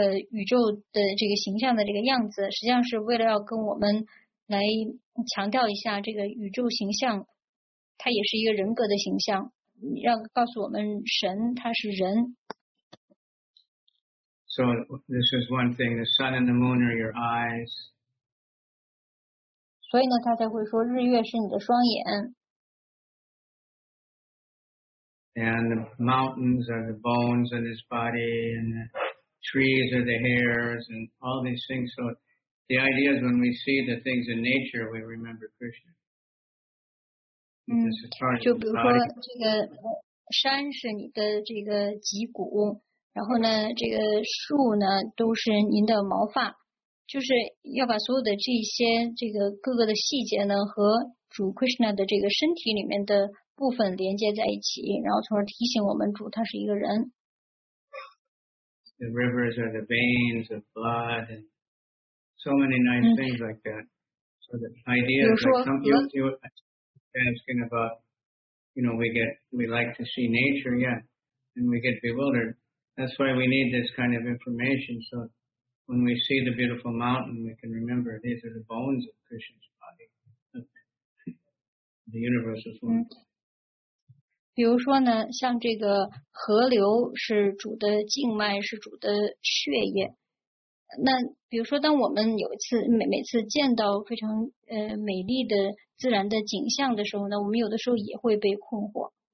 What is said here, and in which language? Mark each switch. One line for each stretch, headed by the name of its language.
Chinese: 宇宙的这个形象的这个样子，实际上是为了要跟我们来强调一下这个宇宙形象，它也是一个人格的形象，让告诉我们神它是人。
English: So this is one thing. The sun and the moon are your eyes.
Chinese: 所以呢，他才会说日月是你的双眼。
English: And the mountains are the bones of his body and. Trees are the hairs and all these things. So the idea is when we see the things in nature, we remember Krishna.
Chinese: 嗯，就比如说这个山是你的这个脊骨，然后呢，这个树呢都是您的毛发，就是要把所有的这些这个各个的细节呢和主 Krishna 的这个身体里面的部分连接在一起，然后从而提醒我们主他是一个人。
English: The rivers are the veins of blood, and so many nice things like that. So the idea is that some people are asking about, you know, we like to see nature, yeah, and we get bewildered. That's why we need this kind of information. So when we see the beautiful mountain, we can remember these are the bones of Krishna's body, the universal form.
Chinese: 比如说呢，像这个河流是主的静脉，是主的血液。那比如说，当我们有一次每次见到非常美丽的自然的景象的时候呢，我们有的时候也会被困惑。